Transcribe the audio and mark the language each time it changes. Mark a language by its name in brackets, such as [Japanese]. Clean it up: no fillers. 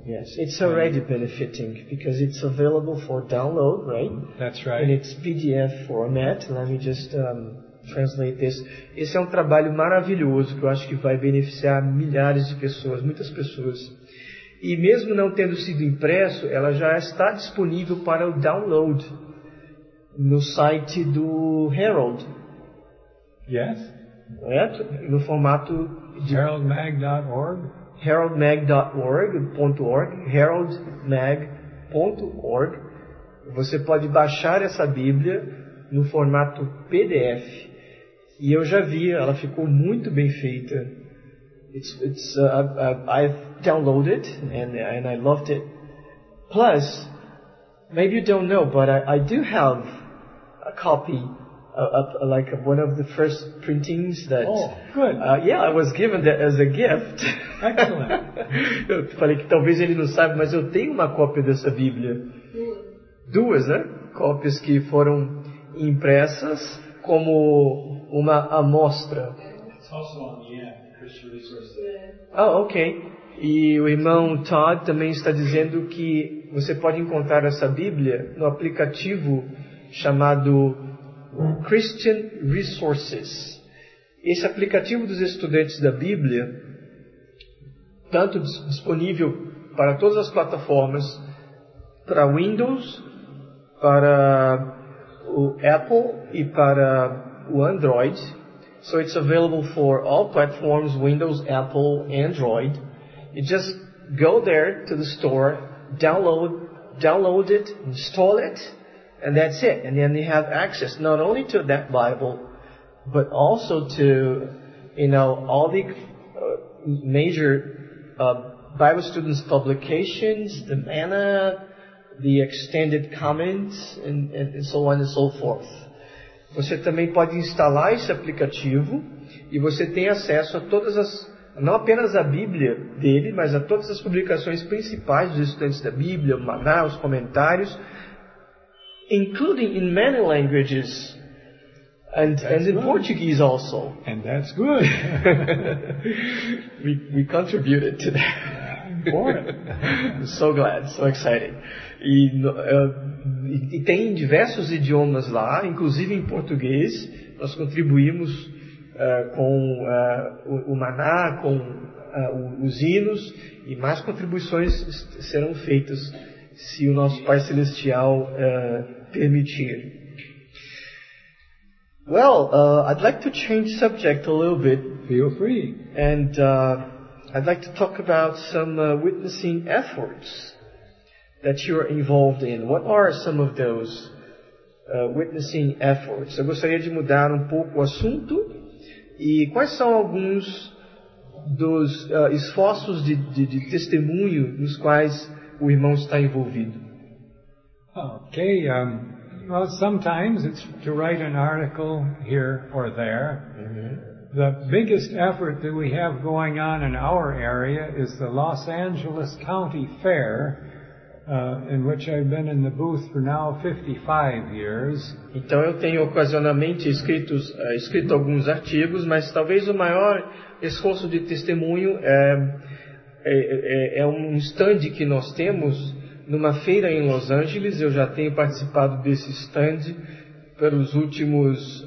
[English] Yes, it's already benefiting because it's available for download, right? That's right. And it's PDF format. Let me just translate this. [Portuguese] Esse é um trabalho maravilhoso que eu acho que vai beneficiar milhares de pessoas, muitas pessoas. E mesmo não tendo sido impresso, ela já está disponível para o download no site do Herald. [English] Yes. [Portuguese] Correto? No formato de heraldmag.org. heraldmag.org. heraldmag.org. Você pode baixar essa Bíblia no formato PDF. E eu já vi, ela ficou muito bem feita. [English] I've downloaded it and I loved it. Plus, maybe you don't know, but I do have a copy. Like one of the first printings that... Oh, good. Yeah, I was given that as a gift. Excellent. [Portuguese] Eu falei que talvez ele não saiba, mas eu tenho uma cópia dessa Bíblia. Duas, né? Cópias que foram impressas como uma amostra. [English] It's also on the Christian Resources. Oh, ok. [Portuguese] E o irmão Todd também está dizendo que você pode encontrar essa Bíblia no aplicativo chamado... Christian Resources. Esse aplicativo dos estudantes da Bíblia, tanto disponível para todas as plataformas, para Windows, para o Apple e para o Android. [English] So it's available for all platforms, Windows, Apple, Android. You just go there to the store, download it, install it. And that's it. And then you have access not only to that Bible, but also to, you know, all the major Bible students' publications, the Manna, the extended comments, and so on and so forth. [Portuguese] Você também pode instalar esse aplicativo e você tem acesso a todas as, não apenas a Bíblia dele, mas a todas as publicações principais dos estudantes da Bíblia, o Maná, os comentários, [English] including in many languages, and in Portuguese also. And that's good. we contributed to that. Boy. So glad, so excited. [Portuguese] E tem diversos idiomas lá, inclusive em português. Nós contribuímos com o maná, com os hinos, e mais contribuições serão feitas se o nosso Pai Celestial permitir. [English] Well, I'd like to change subject a little bit. Feel free. And I'd like to talk about some witnessing efforts that you're involved in. What are some of those witnessing efforts? [Portuguese] Eu gostaria de mudar um pouco o assunto. E quais são alguns dos esforços de testemunho nos quais o irmão está envolvido? [English] Okay, well, sometimes it's to write an article here or there. Mm-hmm. The biggest effort that we have going on in our area is the Los Angeles County Fair, in which I've been in the booth for now 55 years. [Portuguese] Então eu tenho ocasionalmente escrito alguns artigos, mas talvez o maior esforço de testemunho é um stand que nós temos numa feira em Los Angeles. Eu já tenho participado desse stand pelos últimos...